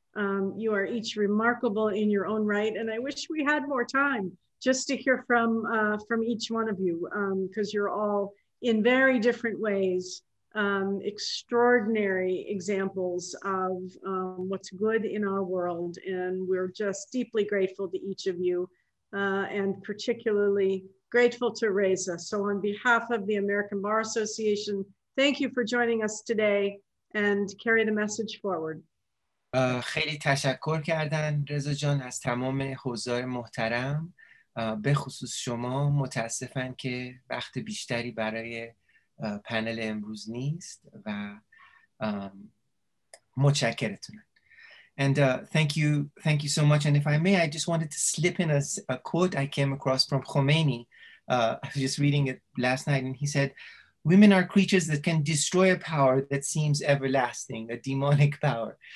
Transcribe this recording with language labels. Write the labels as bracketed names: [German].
[English] You are each remarkable in your own right, and I wish we had more time just to hear from each one of you, because you're all in very different ways extraordinary examples of what's good in our world, and we're just deeply grateful to each of you, and particularly grateful to Reza. So on behalf of the American Bar Association, thank you for joining us today and carry the message forward. [Persian] خیلی تشکر کردن رضا جان از تمام حضار محترم به خصوص شما متاسفم که وقت بیشتری برای پنل امروز نیست و متشکرتون. [English] And thank you so much, and if I may, I just wanted to slip in a quote I came across from Khomeini. I was just reading it last night, and he said, "Women are creatures that can destroy a power that seems everlasting, a demonic power."